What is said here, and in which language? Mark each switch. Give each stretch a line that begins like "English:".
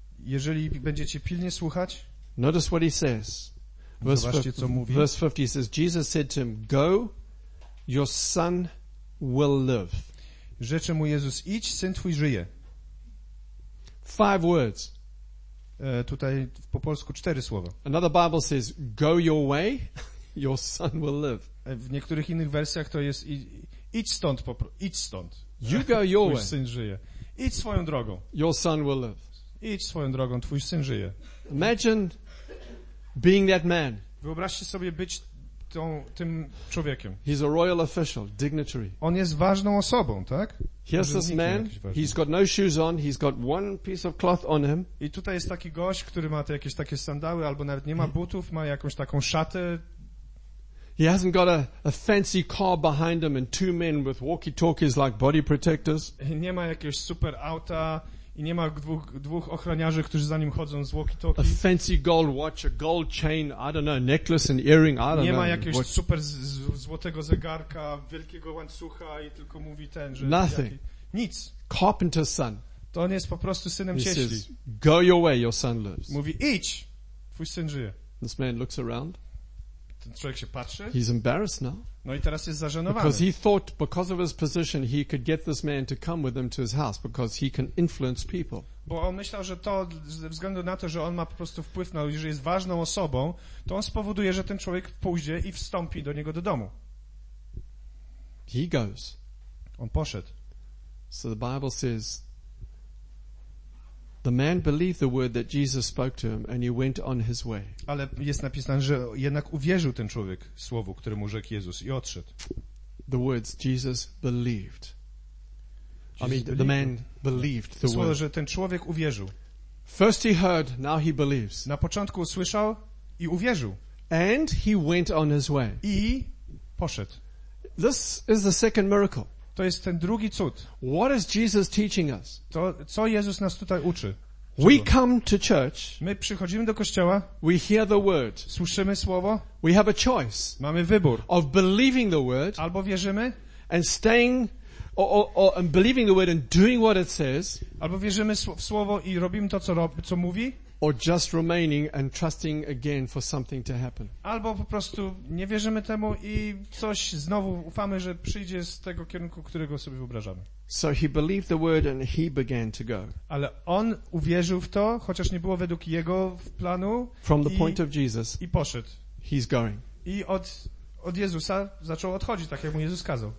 Polish: Jeżeli będziecie pilnie słuchać.
English: Notice what he says.
Polish: Zobaczcie, co mówi.
English: Verse 50 says, Jesus said to him, go, your son will live.
Polish: Rzecze mu Jezus, idź, syn twój żyje.
English: Five words.
Polish: Tutaj po polsku cztery słowa.
English: Another Bible says, go your way, your son will live.
Polish: W niektórych innych wersjach to jest idź stąd.
English: You go your way.
Polish: Twój syn żyje. Idź swoją drogą.
English: Your son will live.
Polish: Idź swoją drogą, twój syn żyje.
English: Imagine being that man.
Polish: Wyobraźcie sobie być tym człowiekiem.
English: He's a royal official, dignitary.
Polish: On jest ważną osobą, tak?
English: Here's this man. He's got no shoes on. He's got one piece of cloth on him.
Polish: I tutaj jest taki gość, który ma te jakieś takie sandały, albo nawet nie ma butów, ma jakąś taką szatę.
English: He hasn't got a fancy car behind him and two men with walkie-talkies like body protectors.
Polish: Nie ma jakiegoś super auta i nie ma dwóch ochroniarzy, którzy za nim chodzą z walkie-talkie.
English: A fancy gold watch, a gold chain, I don't know, necklace and earring, I don't know.
Polish: Nie ma jakiegoś super złotego zegarka, wielkiego łańcucha i tylko mówi ten, że
English: nothing.
Polish: Nic.
English: Carpenter's son.
Polish: To on jest po prostu synem cieśli.
English: Says, go your way, your son lives.
Polish: Mówi, idź, twój syn żyje.
English: This man looks around.
Polish: Ten człowiek się patrzy.
English: He's embarrassed now.
Polish: No i teraz jest zażenowany.
English: Because he thought, because of his position, he could get this man to come with him to his house, because he can influence people.
Polish: Bo on myślał, że to, ze względu na to, że on ma po prostu wpływ na ludzi, że jest ważną osobą, to on spowoduje, że ten człowiek pójdzie i wstąpi do niego do domu.
English: He goes.
Polish: On poszedł.
English: So the Bible says, the man believed the word that Jesus spoke to him, and he went on his way.
Polish: Ale jest napisane, że jednak uwierzył ten człowiek słowu, któremu rzekł Jezus, i odszedł.
English: The words Jesus believed. The man believed the word.
Polish: Słowo, że ten człowiek uwierzył.
English: First he heard, now he believes.
Polish: Na początku usłyszał i uwierzył.
English: And he went on his way.
Polish: I poszedł.
English: This is the second miracle.
Polish: To jest ten drugi cud.
English: What is Jesus teaching us?
Polish: To, co Jezus nas tutaj uczy? Czego?
English: We come to church.
Polish: My przychodzimy do kościoła.
English: We hear the word.
Polish: Słyszymy słowo.
English: We have a choice.
Polish: Mamy wybór.
English: Of believing the word.
Polish: Albo wierzymy.
English: And staying, or believing the word and doing what it says.
Polish: Albo wierzymy w słowo i robimy to, co mówi.
English: Or just remaining and trusting again for something to happen.
Polish: Albo po prostu nie wierzymy temu i coś znowu ufamy, że przyjdzie z tego kierunku, którego sobie wyobrażamy.
English: So he believed the word and he began to go.
Polish: Ale on uwierzył w to, chociaż nie było według jego planu.
English: From the point of Jesus.
Polish: I poszedł.
English: He's going.
Polish: I od Jezusa zaczął odchodzić, tak jak mu Jezus kazał.